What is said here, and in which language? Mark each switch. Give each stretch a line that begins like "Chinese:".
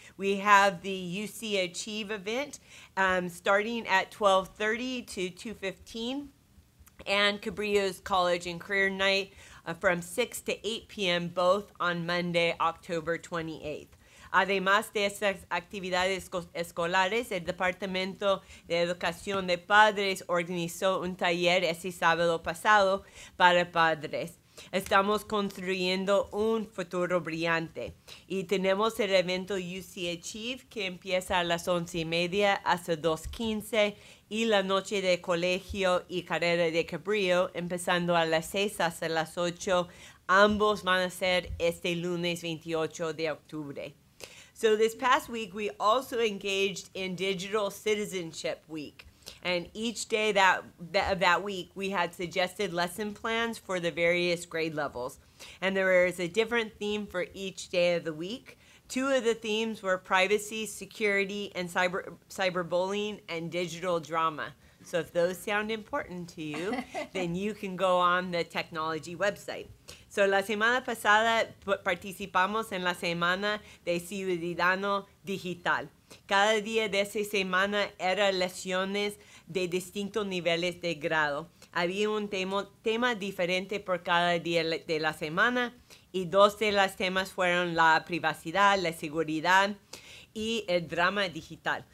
English: We have the UC Achieve event starting at 12:30 to 2:15, and Cabrillo's College and Career Night from 6 to 8 p.m., both on Monday, October 28th.
Spanish: Además de esas actividades escolares, el Departamento de Educación de Padres organizó un taller ese sábado pasado para padres. Estamos construyendo un futuro brillante. Y tenemos el evento UC Achieve que empieza a las 11:30 hasta 2:15 y la noche de colegio y carrera de cabrillo empezando a las 6 hasta las 8. Ambos van a ser este lunes 28 de octubre.
English: So this past week, we also engaged in Digital Citizenship Week. And each day that week, we had suggested lesson plans for the various grade levels. And there is a different theme for each day of the week. Two of the themes were privacy, security, and cyberbullying, and digital drama. So if those sound important to you, then you can go on the technology website.
Spanish: So la semana pasada participamos en la semana de Ciudadano Digital. Cada día de esa semana eran lecciones de distintos niveles de grado. Había un tema diferente por cada día de la semana y dos de los temas fueron la privacidad, la seguridad y el drama digital.